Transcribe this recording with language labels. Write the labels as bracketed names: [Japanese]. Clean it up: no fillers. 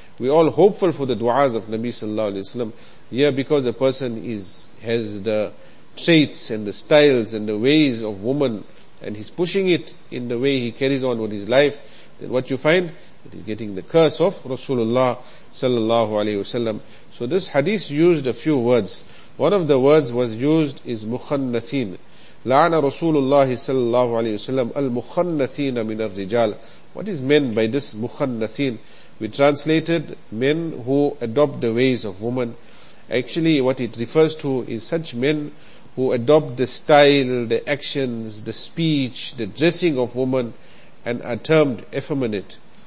[English] We all hopeful for the du'as of Nabi sallallahu alayhi wa sallam. Yeah, because a person has the traits and the styles and the ways of woman, and he's pushing it in the way he carries on with his life, then what you find? That he's getting the curse of Rasulullah sallallahu alayhi wa sallam. So this hadith used a few words. One of the words was used is mukhannathin. [Arabic] لعن رسول الله صلى الله عليه وسلم المخنثين من الرجال. [English] What is meant by this مخنثين? We translated men who adopt the ways of women. Actually, what it refers to is such men who adopt the style, the actions, the speech, the dressing of women, and are termed effeminate.